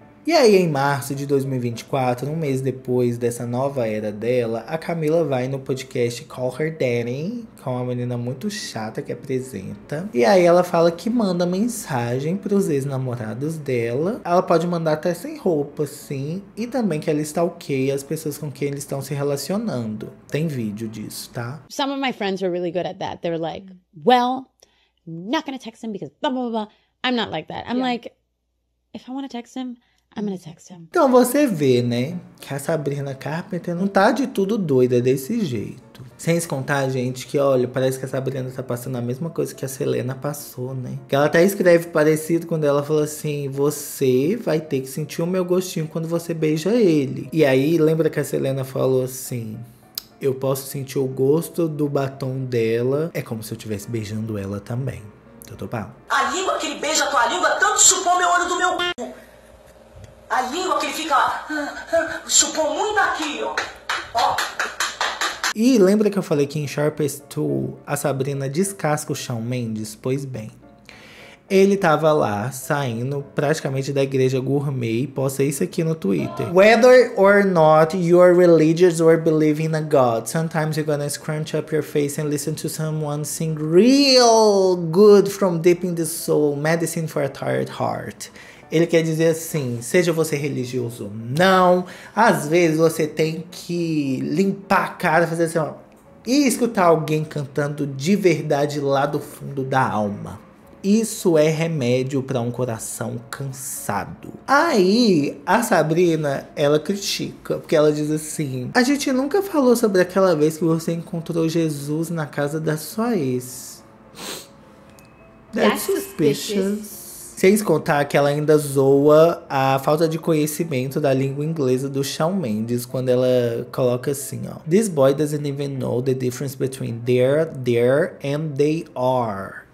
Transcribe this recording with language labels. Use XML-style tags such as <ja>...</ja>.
<pt>E aí, em março de 2024, um mês depois dessa nova era dela, a Camila vai no podcast Call Her Daddy, com uma menina muito chata que apresenta. E aí, ela fala que manda mensagem pros ex-namorados dela. Ela pode mandar até sem roupa, sim. E também que ela stalkeia as pessoas com quem eles estão se relacionando. Tem vídeo disso, tá?</pt> <en>Some of my friends were really good at that. They were like, well, I'm not gonna text him because blah, blah, blah, blah. I'm not like that. I'm like, if I wanna text him... I'm gonna text him.</en> <pt>Então você vê, né, que a Sabrina Carpenter não tá de tudo doida desse jeito. Sem se contar, gente, que olha, parece que a Sabrina tá passando a mesma coisa que a Selena passou, né? Que ela até escreve parecido quando ela fala assim, você vai ter que sentir o meu gostinho quando você beija ele. E aí, lembra que a Selena falou assim, eu posso sentir o gosto do batom dela. É como se eu estivesse beijando ela também. Tô pá. A língua que ele beija a tua língua tanto chupou meu olho do meu... A língua que ele fica, chupou muito aqui, ó. Ó. E lembra que eu falei que em Sharpest Tool, a Sabrina descasca o Shawn Mendes? Pois bem. Ele tava lá, saindo praticamente da igreja gourmet. Postei isso aqui no Twitter.</pt> <en>Whether or not you're religious or believe in a God, sometimes you're gonna scrunch up your face and listen to someone sing real good from deep in the soul, medicine for a tired heart.</en> <pt>Ele quer dizer assim, seja você religioso ou não, às vezes você tem que limpar a cara, fazer assim, ó, e escutar alguém cantando de verdade lá do fundo da alma. Isso é remédio para um coração cansado. Aí, a Sabrina, ela critica, porque ela diz assim, a gente nunca falou sobre aquela vez que você encontrou Jesus na casa da sua ex.</pt> <en>That's suspicious.</en> <pt>Sem contar que ela ainda zoa a falta de conhecimento da língua inglesa do Shawn Mendes quando ela coloca assim, ó.</pt> <en>This boy doesn't even know the difference between there, and they are.</en>